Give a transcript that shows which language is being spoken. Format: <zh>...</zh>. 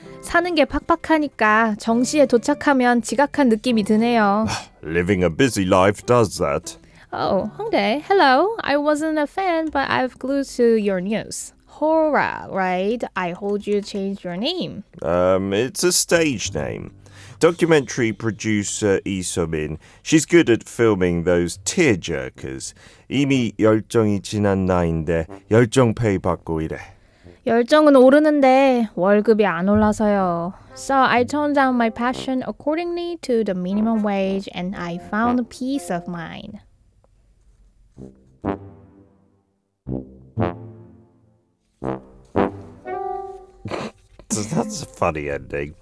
<ko>사는 게 팍팍하니까 정시에 도착하면 지각한 느낌이 드네요.</ko> <en>Living a busy life does that. Oh, Hongdae, hello. I wasn't a fan, but I've glued to your news. Hora, right? I hold you change your name. It's a stage name. Documentary producer Lee So-min, she's good at filming those tearjerkers.</en> <ko>이미 열정이 지난 나인데 열정페이 받고 이래. 열정은 오르는데 월급이 안 올라서요.</ko> <en>So I toned down my passion accordingly to the minimum wage and I found peace of mind. That's a funny ending.</en>